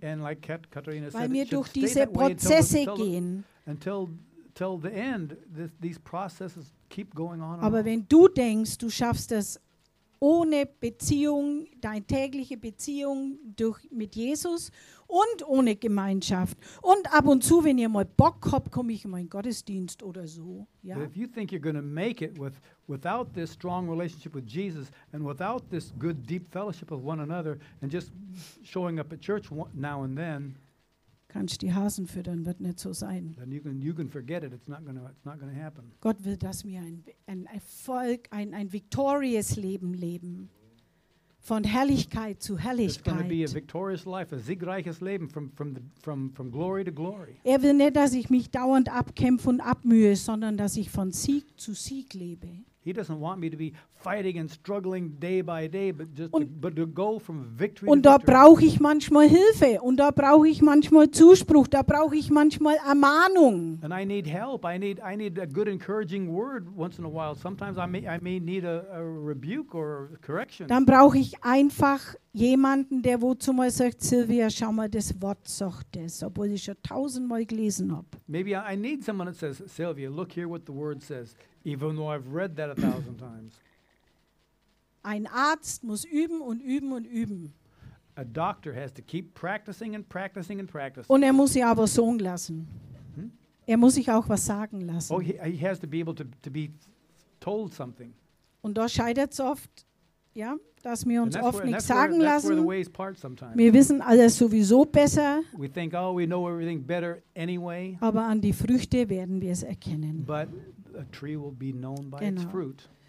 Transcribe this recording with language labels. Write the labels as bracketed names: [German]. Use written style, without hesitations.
[English] And like Katharina [German] weil [English] said, [German] wir durch diese Prozesse gehen. [English] Until the end, these processes keep going on. [German] Aber wenn du denkst, du schaffst es ohne Beziehung, deine tägliche Beziehung mit Jesus und ohne Gemeinschaft und ab und zu, wenn ihr mal Bock habt, komme ich mal in Gottesdienst oder so. Ja. [English] If you think you're going to make it without this strong relationship with Jesus and without this good deep fellowship of one another and just showing up at church now and then, [German] kannst die Hasen füttern, wird nicht so sein. [English] Then you can forget it. It's not gonna happen. [German] Gott will, dass wir ein Erfolg, ein victorious Leben leben. Von Herrlichkeit zu Herrlichkeit. [English] It's gonna be a victorious life, a [German] siegreiches Leben [English] from glory to glory. [German] Er will nicht, dass ich mich dauernd abkämpfe und abmühe, sondern dass ich von Sieg zu Sieg lebe. [English] He doesn't want me to be fighting and struggling day by day, but just to go from victory [German] und [English] to victory. [German] Und da brauche ich manchmal Hilfe. Und da brauche ich manchmal Zuspruch. Da brauche ich manchmal Ermahnung. [English] And I need help. I need a good encouraging word once in a while. Sometimes I may need a rebuke or a correction. [German] Dann brauche ich einfach jemanden, der wozu mal sagt, Silvia, schau mal, das Wort sagt es, obwohl ich schon 1000 Mal gelesen habe. [English] Maybe I need someone that says, Silvia, look here what the word says. Even though I've read that 1000 times. [German] Ein Arzt muss üben und üben und üben. [English] A doctor has to keep practicing and practicing and practicing. [German] Und er muss sie aber sagen lassen. Er muss sich auch was sagen lassen. [English] Oh, he has to be able to be told something. [German] Und da scheitert es oft, ja, dass wir uns oft nichts sagen lassen. Wir wissen alles sowieso besser. [English] We think, oh, we know everything better anyway. [German] Aber an die Früchte werden wir es erkennen. [English] But a tree will be known by its fruit.